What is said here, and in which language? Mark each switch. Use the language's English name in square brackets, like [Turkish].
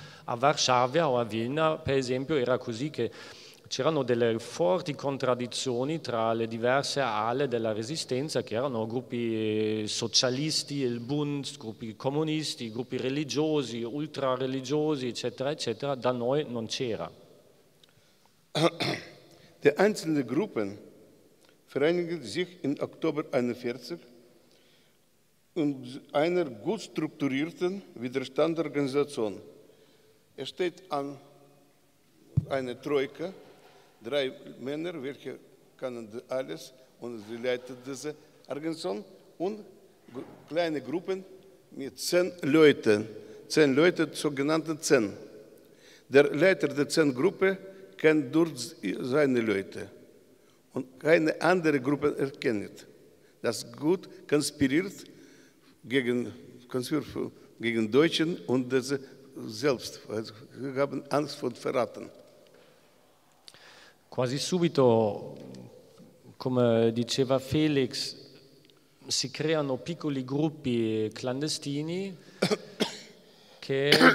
[Italian] A Varsavia o a Vilna, per esempio, era così che c'erano delle forti contraddizioni tra le diverse ali della resistenza, che erano gruppi socialisti, il Bund, gruppi comunisti, gruppi religiosi, ultrareligiosi, eccetera, eccetera. Da noi non c'era. [German] Le einzelne Gruppen vereinigt sich in Oktober 1941 in einer gut strukturierten Widerstandsorganisation. Es steht an eine Troika, drei Männer, welche können alles und sie leiten diese Organisation und kleine Gruppen mit 10 Leuten. 10 Leute, sogenannte 10. Der Leiter der 10 Gruppe kennt durch seine Leute. Und keine andere Gruppe erkennt, das gut konspiriert gegen Deutschen und diese selbst. Sie haben Angst vor Verraten. [Italian] Quasi subito, come diceva Felix, si creano piccoli gruppi clandestini che.